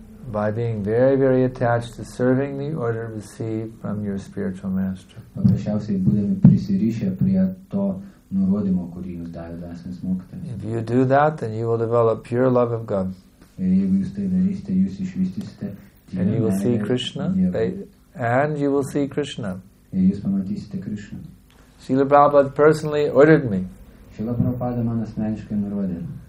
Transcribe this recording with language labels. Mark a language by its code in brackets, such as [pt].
[en] By being very, very attached to serving the order received from your spiritual master. [lt] Paprasčiausiai būdami prisirišę prie to nurodymo, kurį jūs davėte esant mokytojams. [en] If you do that, then you will develop pure love of God. [lt] Ir jeigu jūs tai darysite, jūs išvystysite [en] And you will see Krishna. And you will see Krishna. [lt] Ir jūs pamatysite Krishna. [en] Srila Prabhupada personally ordered me. [lt] Srila Prabhupada man asmeniškai nurodė.